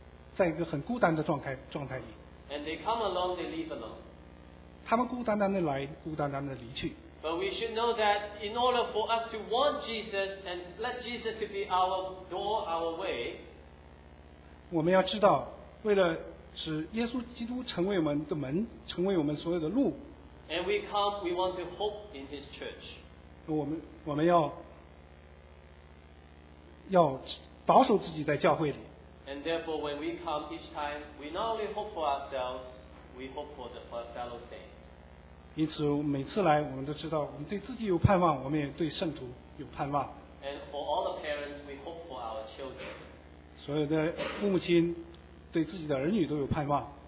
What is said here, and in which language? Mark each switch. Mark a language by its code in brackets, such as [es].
[zh] 很多人到教会，我们知道他还是在一个很孤单的状态里。 [en] And they come alone, they leave alone. [zh] 他们孤单单的来，孤单单的离去。 [en] But we should know that in order for us to want Jesus and let Jesus to be our door, our way, [zh] 我们要知道，为了使耶稣基督成为我们的门，成为我们所有的路， [en] and we come, we want to hope in his church. [zh] 我们要保守自己在教会里。 [en] And therefore, when we come each time, we not only hope for ourselves, we hope for the fellow saints. [zh] 因此每次来我们都知道我们对自己有盼望，我们也对圣徒有盼望。 [en] And for all the parents, we hope for our children. [zh] 所有的父母亲对自己的儿女都有盼望。